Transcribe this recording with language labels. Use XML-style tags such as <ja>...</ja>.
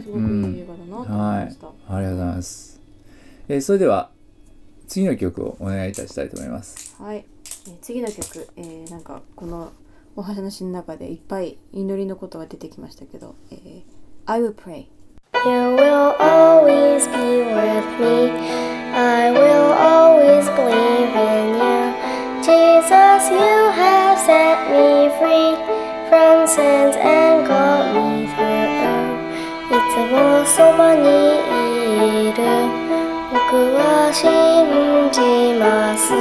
<ja>すごくいい映画だなと思いました、うん、はい、ありがとうございます、それでは次の曲をお願いいたしたいと思います。はい、次の曲、なんかこのお話の中でいっぱい祈りのことが出てきましたけど、</ja> <en>I will pray。 You will always be with me、 I will always believe in youJesus, you have set me free from sins and got me through.</en> <ja>いつもそばにいる僕は信じます。</ja>